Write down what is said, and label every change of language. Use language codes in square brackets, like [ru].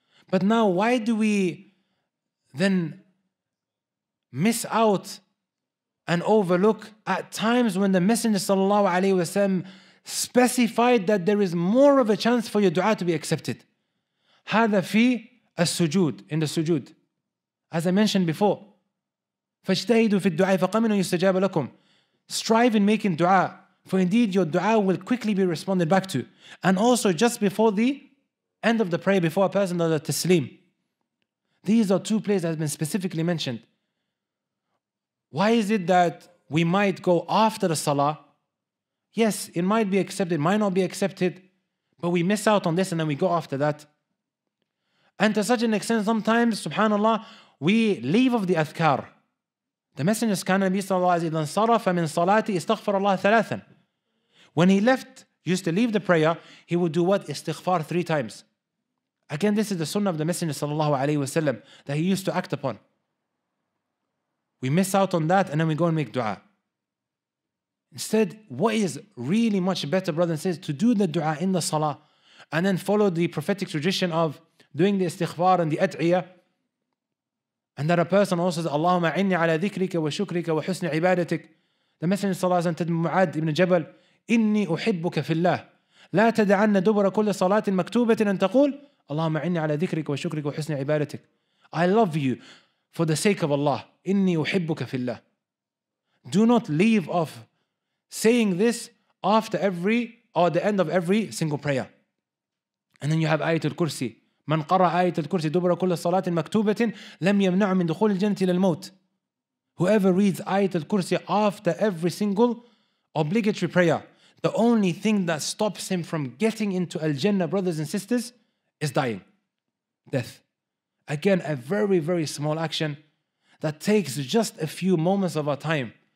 [en] But now, why do we then miss out and overlook at times when the Messenger sallallahu alayhi wa sallam specified that there is more of a chance for your dua to be accepted? [ar] هذا في السجود, [en] in the sujood. As I mentioned before, [ar] فَاجْتَهِدُوا فِي الدُّعَاءِ فَقَمِنُوا يُسْتَجَابَ لَكُمْ. [en] Strive in making dua, for indeed your dua will quickly be responded back to. And also just before the end of the prayer, before a person does a taslim. These are two places that have been specifically mentioned. Why is it that we might go after the salah? Yes, it might be accepted, might not be accepted, but we miss out on this and then we go after that. And to such an extent, sometimes, subhanAllah, we leave of the adhkar. The Messenger [ar] كان النبي صلى الله عليه وسلم صرف من صلاتي استغفر الله ثلاثا. [en] When he left, used to leave the prayer, he would do what? Istighfar three times. Again, this is the sunnah of the Messenger sallallahu alayhi wa sallam that he used to act upon. We miss out on that and then we go and make dua. Instead, what is really much better, brothers and sisters, to do the dua in the salah and then follow the prophetic tradition of doing the istighfar and the at'iyah. And that a person also says, [ar] Allahumma inni ala dhikrika wa shukrika wa husni ibadatik. [en] The Messenger [ar] sallallahu alayhi wa sallam, Mu'ad ibn Jabal, inni uhibbuka fillah. La tada'anna dubra kulla salatin maktubatin an taqul, اللهم إني على ذكرك وشكرك وحسن عبادتك. [en] I love you for the sake of Allah. [ar] إني أحبك في الله. [en] Do not leave off saying this after every or the end of every single prayer. And then you have آية الكرسي. [ar] من قرأ آية الكرسي دبر كل صلاة مكتوبة لم يمنع من دخول الجنة إلى الموت. [en] Whoever reads آية الكرسي after every single obligatory prayer, the only thing that stops him from getting into al-Jannah, brothers and sisters, is dying, death. Again, a very, very small action that takes just a few moments of our time.